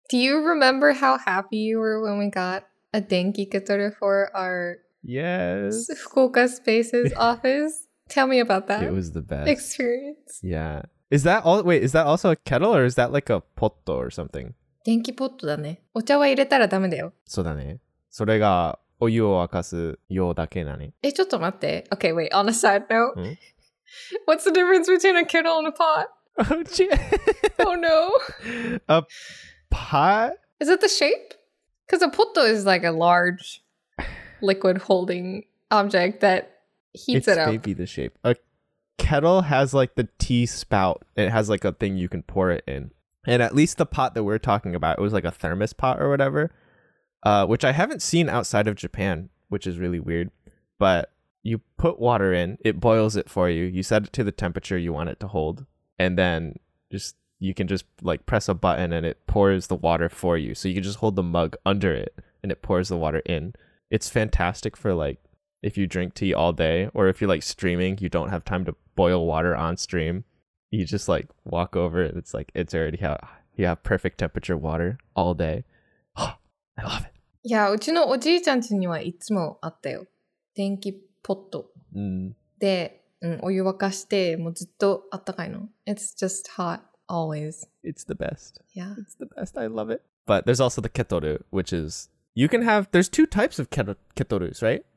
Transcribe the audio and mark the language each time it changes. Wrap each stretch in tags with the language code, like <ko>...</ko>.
<en>Do you remember how happy you were when we got a denki ケトル for our Yes. 福岡 Spaces office? Tell me about that. It was the best experience. Yeah. Is that all? Wait, is that also a kettle or is that like a pot or something?</en> <ja>電気ポットだね。お茶は入れたらダメだよ。そうだね。それがお湯を沸かす用だけなね。え、ちょっと待って。</ja> <en>Okay, wait. On a side note, what's the difference between a kettle and a pot? Oh, oh no. A pot? Is it the shape? Because a pot is like a large liquid holding object that. Heats it up. It's maybe the shape. A kettle has like the tea spout. It has like a thing you can pour it in. And at least the pot that we're talking about, it was like a thermos pot or whatever, which I haven't seen outside of Japan, which is really weird. But you put water in, it boils it for you. You set it to the temperature you want it to hold. And then just you can just like press a button and it pours the water for you. So you can just hold the mug under it and it pours the water in. It's fantastic for like,If you drink tea all day, or if you're like streaming, you don't have time to boil water on stream, you just like walk over and it's like, it's already hot. You have perfect temperature water all day. Oh, I love it.</en> <ja>Yeah, うちのおじいちゃん家にはいつもあったよ。電気ポット。で、うん、お湯沸かして、もうずっとあったかいの。</ja> <en>It's just hot, always. It's the best. Yeah. It's the best, I love it. But there's also the ketoru, which is, you can have, there's two types of ketorus, right?</en>